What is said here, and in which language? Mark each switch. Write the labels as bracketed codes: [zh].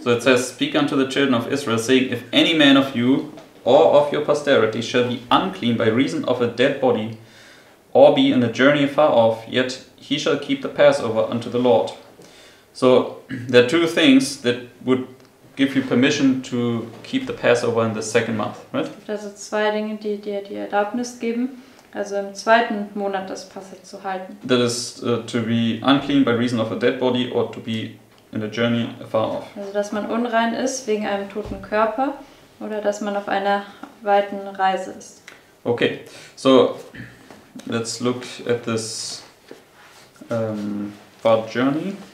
[en] So it says, speak unto the children of Israel, saying, if any man of you or of your posterity shall be unclean by reason of a dead body, or be in a journey far off, yet he shall keep the Passover unto the Lord. So there are two things that would give you permission to keep the Passover in the second month, right? [de] Also zwei Dinge, die dir die Erlaubnis geben, also im zweiten Monat das Passover zu halten. [en] That is to be unclean by reason of a dead body or to be in a journey far off. [de] Also dass man unrein ist wegen einem toten Körper oder dass man auf einer weiten Reise ist. [en] Okay, so let's look at this far journey.